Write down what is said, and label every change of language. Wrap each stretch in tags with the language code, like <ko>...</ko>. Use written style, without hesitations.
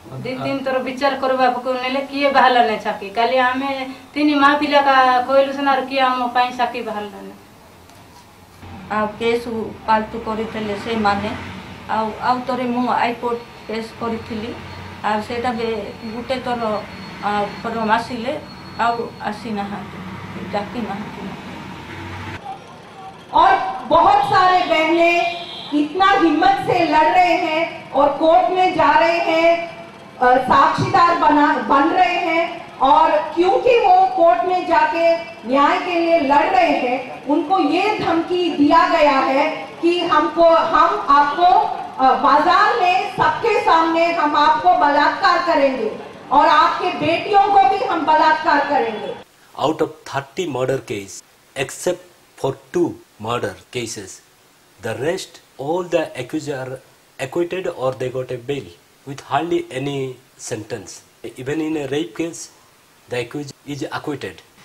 <or>ଦୁଇ ତିନି ଥର ବିଚାର କରିବାକୁ ନେଲେ କିଏ ବାହାରିଲାନି ଚାକି? କାଲି ଆମେ ତିନି ମା ପିଲା କହିଲୁ ସିନା କିଏ ଆମ ପାଇଁ ଚାକି ବାହାରିଲାନି। ଆଉ କେସ୍ ପାଲତୁ କରିଥିଲେ ସେମାନେ, ଆଉ ଆଉ ଥରେ ମୁଁ ହାଇକୋର୍ଟ କେସ୍ କରିଥିଲି, ଆଉ ସେଇଟା ବି ଗୋଟେ ଥର ଫର୍ମ ଆସିଲେ ଆଉ ଆସିନାହାନ୍ତି, ଡାକି ନାହାନ୍ତି।</or> <hi>और बहुत सारे बहने इतना हिम्मत से लड़ रहे हैं और कोर्ट में जा रहे हैं, साक्षीदार बन रहे हैं, और क्योंकि वो कोर्ट में जाके न्याय के लिए लड़ रहे हैं, उनको ये धमकी दिया गया है कि हमको, हम आपको बाजार में सबके सामने हम आपको बलात्कार करेंगे और आपके बेटियों को भी हम बलात्कार करेंगे।</hi> <en>Out of 30 murder case except for 2 murder cases, the rest all the accused are acquitted or they got a bail with hardly any sentence. Even in a rape case, the accused is acquitted.</en>